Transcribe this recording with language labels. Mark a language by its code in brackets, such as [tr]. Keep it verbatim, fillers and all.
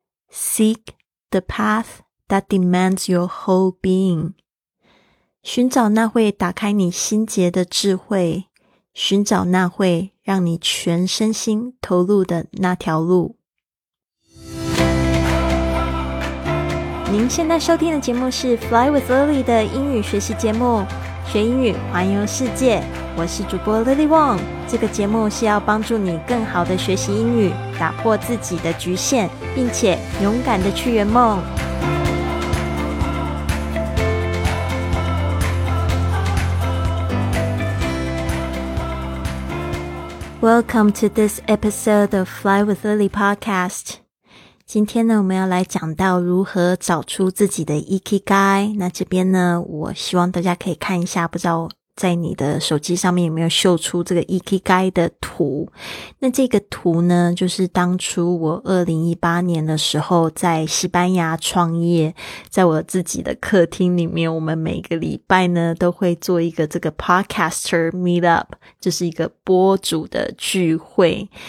[en] Seek the path that demands your whole being. [zh] 寻找那会打开你心结的智慧，寻找那会让你全身心投入的那条路。您现在收听的节目是 Fly with Lily 的英语学习节目，学英语环游世界。我是主播 Lily Wong， 这个节目是要帮助你更好的学习英语，打破自己的局限，并且勇敢的去圆梦。 [en] Welcome to this episode of Fly with Lily podcast. [zh] 今天呢，我们要来讲到如何找出自己的 Ikigai。那这边呢，我希望大家可以看一下，不知道在你的手机上面有没有秀出这个 Ikigai 的图。那这个图呢，就是当初我二零一八年的时候在西班牙创业，在我自己的客厅里面，我们每个礼拜呢都会做一个这个 podcaster meetup， 就是一个播主的聚会。